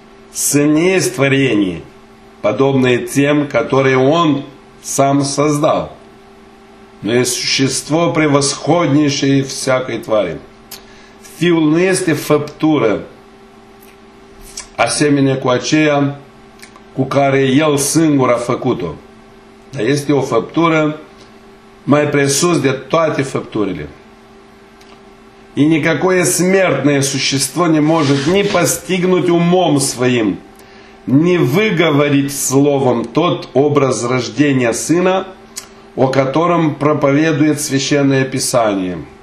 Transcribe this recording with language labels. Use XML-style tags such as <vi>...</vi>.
<ro>Să nu este tvărenie,</ro> <ru>подобное тем, которые он сам создал. Но есть существо превосходнейшее всякой твари.</ru> <ro>Fiul nu este făptură, asemenea cu aceea cu care el singur a făcut-o. Dar este o făptură mai presus de toate făpturile.</ro> <ru>И никакое смертное существо не может ни постигнуть умом своим, ни выговорить словом тот образ рождения Сына, о котором проповедует Священное Писание.</ru>